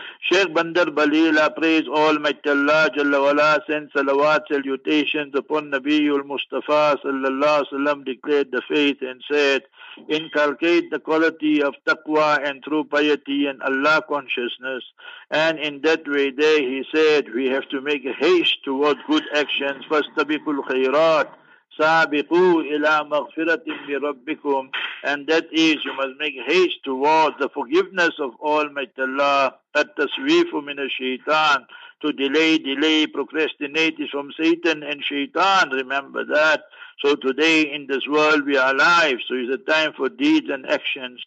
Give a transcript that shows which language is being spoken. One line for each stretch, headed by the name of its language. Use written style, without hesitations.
English: Sheikh Bandar Balila, praise Almighty Allah Jalla Wala, send salawat salutations upon Nabiul Mustafa Sallallahu Alaihi Wasallam, declared the faith and said, inculcate the quality of taqwa and true piety and Allah consciousness. And in that way there he said, we have to make haste towards good actions.
Arabic: Fastabiqul khairat, سابقوا إلى مغفرة من ربكم.
English: And that is, you must make haste towards the forgiveness of Almighty Allah.
Arabic: التسويف من الشيطان,
English: to delay, procrastinate is from Satan and Shaitan. Remember that. So today in this world we are alive, so is the time for deeds and actions.